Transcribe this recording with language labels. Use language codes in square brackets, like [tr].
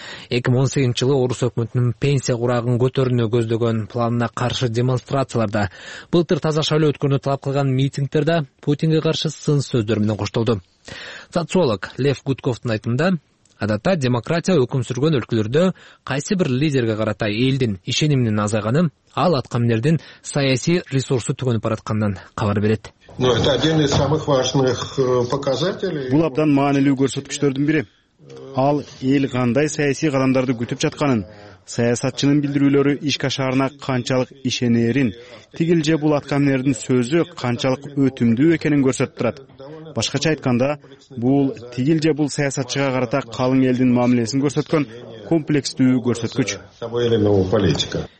[ky] 2018-жылы орус өкмөтүнүн пенсия курагын көтөрүүнү көздөгөн планына каршы демонстрацияларда, былтыр таза шайлоо өткөрүүнү талап кылган митингдерде Путинге каршы сын сөздөр менен коштолду. Социолог Лев Гудковтун айтымында, адатта демократия өкүм сүргөн өлкөлөрдө кайсы бир лидерге карата элдин ишенимнин азайганы ал аткаминдердин саясий ресурсу түгөнүп баратканынан кабар берет. [ru] Но это один из самых важных показателей. [ky] Бул абдан маанилүү көрсөткүчтөрдүн бири. Ал эл кандай саясий кадамдарды күтүп жатканын, саясатчынын билдирүүлөрү иш кашарына канчалык ишенерин, тигил же бул аткаминдердин сөзү канчалык өтүмдүү экенин көрсөтүп турат. Башкача айтканда, бул тигил же бул саясатчыга карата калың элдин мамилесин көрсөткөн комплекстүү көрсөткүч.